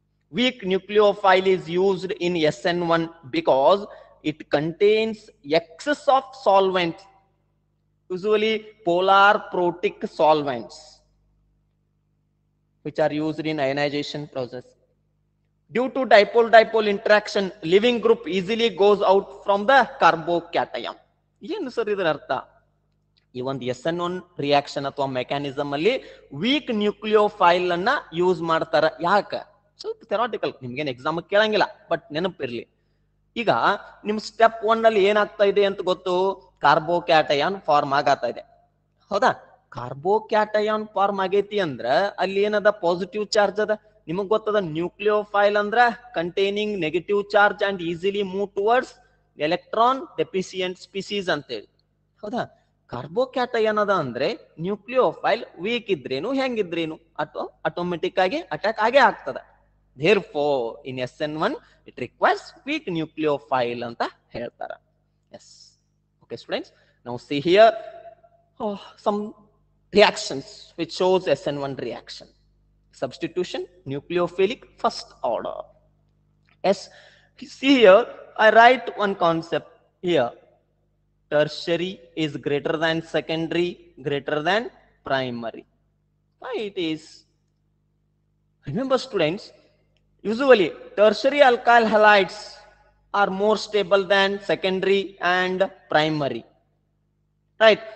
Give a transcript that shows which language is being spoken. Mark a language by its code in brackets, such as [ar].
[en] Weak nucleophile is used in SN1 because it contains excess of solvent, usually polar protic solvents, which are used in ionization process. Due to dipole-dipole interaction, leaving group easily goes out from the carbocation. [kn] ಏನು sir ಇದರ ಅರ್ಥ? ಈ ಒಂದು SN1 reaction ಅಥವಾ mechanism ಅಲ್ಲಿ weak nucleophile ಅನ್ನ use ಮಾಡ್ತಾರ ಯಾಕೆ? ಸ್ವಲ್ಪ ಥೆರಾಟಿಕಲ್, ನಿಮ್ಗೇನು ಎಕ್ಸಾಮ್ ಕೇಳಂಗಿಲ್ಲ, ಬಟ್ ನೆನಪಿರ್ಲಿ. ಈಗ ನಿಮ್ ಸ್ಟೆಪ್ 1 ಅಲ್ಲಿ ಏನಾಗ್ತಾ ಇದೆ ಅಂತ ಗೊತ್ತು, ಕಾರ್ಬೋಕ್ಯಾಟಯಾನ್ ಫಾರ್ಮ್ ಆಗತ್ತಾ ಇದೆ, ಹೌದಾ? ಕಾರ್ಬೋಕ್ಯಾಟಯಾನ್ ಫಾರ್ಮ್ ಆಗೈತಿ ಅಂದ್ರ ಅಲ್ಲಿ ಏನದ, ಪಾಸಿಟಿವ್ ಚಾರ್ಜ್ ಅದ. ನಿಮಗ್ ಗೊತ್ತದ [en] nucleophile ಅಂದ್ರ containing negative charge and easily move towards electron deficient species [kn] ಅಂತ ಹೇಳಿ, ಹೌದಾ? ಕಾರ್ಬೋಕ್ಯಾಟಯಾನ್ ಅದ ಅಂದ್ರೆ ನ್ಯೂಕ್ಲಿಯೋಫೈಲ್ ವೀಕ್ ಇದ್ರೇನು ಹೆಂಗಿದ್ರೇನು ಅಥವಾ ಆಟೋಮೆಟಿಕ್ ಆಗಿ ಅಟ್ಯಾಕ್ ಆಗಿ ಆಗ್ತದ. [en] therefore in SN1 it requires weak nucleophile [kn] ಅಂತ ಹೇಳ್ತಾರ. [en] Yes, okay students, now see here some reactions which shows SN1 reaction. Substitution nucleophilic first order. Yes, see here I write one concept here. Tertiary is greater than secondary, greater than primary. Why it is? Remember students, usually tertiary alkyl halides are more stable than secondary and primary. Right?